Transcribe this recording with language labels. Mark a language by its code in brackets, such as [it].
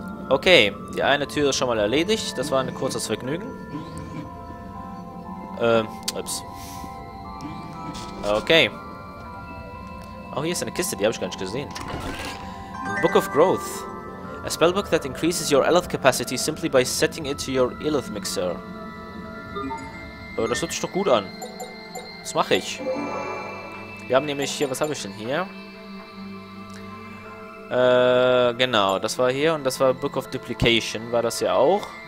[de] Okay, die eine Tür ist schon mal erledigt. Das war ein kurzes Vergnügen. Ups. Okay. Oh, hier ist eine Kiste, die habe ich gar nicht gesehen. [en] Book of Growth. A spellbook that increases your Illith capacity simply by setting it to your Illith mixer. [de] Oh, das hört sich doch gut an. Das mache ich. Wir haben nämlich hier, was habe ich denn hier? Genau, das war hier und das war Book of Duplication, war das ja auch.